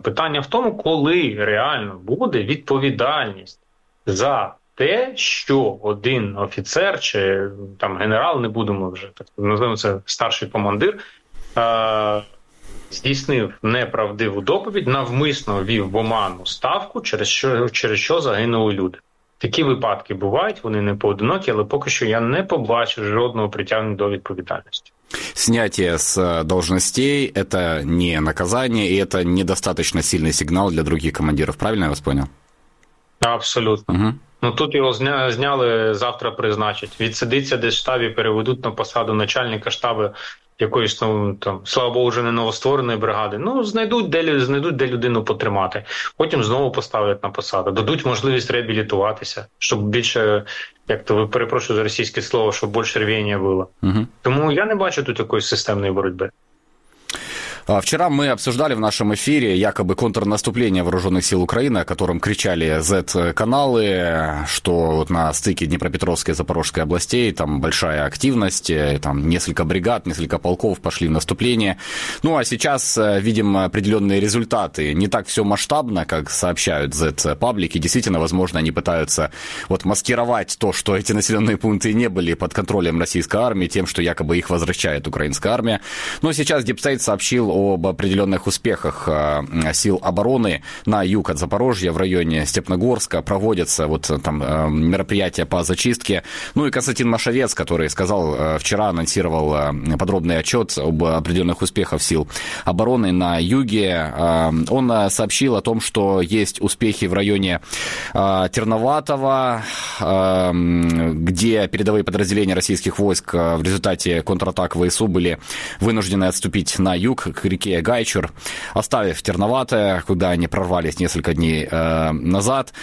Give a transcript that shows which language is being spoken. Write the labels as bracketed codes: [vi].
[uk] Питання в тому, коли реально буде відповідальність за те, що один офіцер чи там генерал, не будемо вже так називаємо, це старший командир, здійснив неправдиву доповідь, навмисно ввів в оману ставку, через що загинули люди. Такі випадки бувають, вони не поодинокі, але поки що я не побачив жодного притягнення до відповідальності. [ru] Снятие с должностей – это не наказание, и это недостаточно сильный сигнал для других командиров. Правильно я вас понял? Абсолютно. Угу. [uk] Ну, тут його зняли, завтра призначать. Відсидиться десь в штабі, переведуть на посаду начальника штабу якоїсь там, слава Богу, вже не новоствореної бригади, ну, знайдуть, де людину потримати. Потім знову поставлять на посаду, дадуть можливість реабілітуватися, щоб більше, як то, перепрошую за російське слово, щоб більше рвіння було. Угу. Тому я не бачу тут якоїсь системної боротьби. [ru] Вчера мы обсуждали в нашем эфире якобы контрнаступление вооруженных сил Украины, о котором кричали Z-каналы, что вот на стыке Днепропетровской и Запорожской областей там большая активность, там несколько бригад, несколько полков пошли в наступление. Ну а сейчас видим определенные результаты. Не так все масштабно, как сообщают Z-паблики. Действительно, возможно, они пытаются вот маскировать то, что эти населенные пункты не были под контролем российской армии, тем, что якобы их возвращает украинская армия. Но сейчас Deep State сообщил об определенных успехах сил обороны на юг от Запорожья в районе Степногорска. Проводятся вот там мероприятия по зачистке. Ну и Константин Машовец, который сказал, вчера анонсировал подробный отчет об определенных успехах сил обороны на юге. Он сообщил о том, что есть успехи в районе Терноватого, где передовые подразделения российских войск в результате контратак ВСУ были вынуждены отступить на юг, к реке Гайчур, оставив Терноватое, куда они прорвались несколько дней назад.